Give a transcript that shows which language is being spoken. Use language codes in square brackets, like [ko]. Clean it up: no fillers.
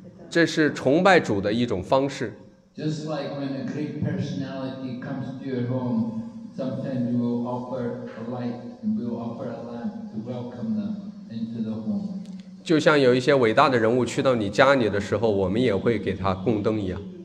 [zh] 这是崇拜主的一种方式。 [en] Just like when a great personality comes to your home, sometimes you will offer a light and we will offer a lamp to welcome them into the home. [zh] 就像有一些伟大的人物去到你家里的时候，我们也会给他供灯一样。